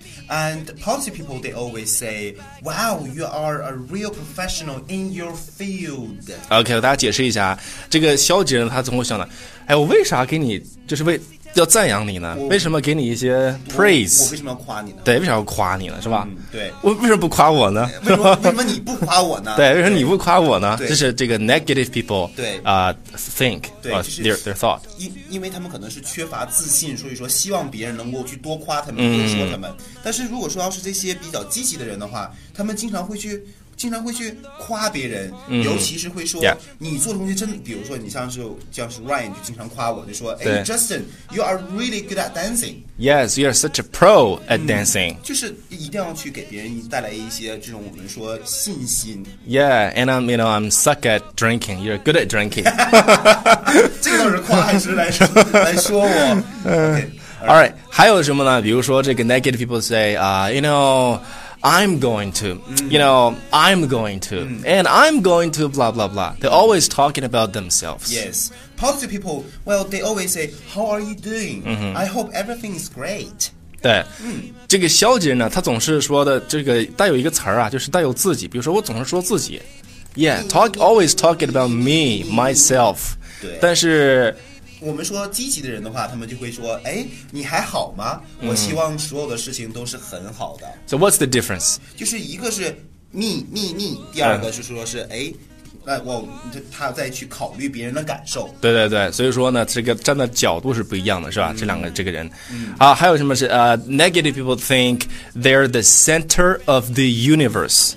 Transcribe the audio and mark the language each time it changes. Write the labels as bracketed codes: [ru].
[en] And positive people they always say Wow you are a real professional in your field [zh] OK 我大家解释一下这个消极人他总会想到哎我为啥给你就是为要赞扬你呢为什么给你一些 praise 我为什么要夸你呢对为什么要夸你呢是吧、对为什么不夸我呢为什么你不夸我呢对为什么你不夸我呢这是这个 negative people 对、 [en] think [zh] 对、就是、 [en] their thought [zh] 因为他们可能是缺乏自信所以说希望别人能够去多夸他们多说他们但是如果说要是这些比较积极的人的话他们经常会去夸别人、尤其是会说、你做东西真的比如说你像是 Ryan 就经常夸我就说哎、 [en] Justin you are really good at dancing yes you are such a pro at dancing、 [zh] 就是一定要去给别人带来一些这种我们说信心 [en] yeah and I'm you know I'm suck at drinking you're good at drinking [zh] 这个倒是夸还是来说我 [en] alright [zh] 还有什么呢比如说这个 [en] negative people say、you knowI'm going to,、you know, I'm going to,、and I'm going to blah, blah, blah. They're always talking about themselves. Yes. Positive people, well, they always say, how are you doing?、I hope everything is great. [zh] 对、这个消极人呢他总是说的这个带有一个词啊就是带有自己比如说我总是说自己。 [en] Yeah, always talking about me, myself. [zh] 对。但是我们说积极的人的话他们就会说哎你还好吗我希望所有的事情都是很好的。 [en] So what's the difference? [zh] 就是一个是me, 第二个就是说是哎他再去考虑别人的感受。对对对所以说呢这个站的角度是不一样的是吧这两个这个人。还有什么是 [en] negative people think they're the center of the universe.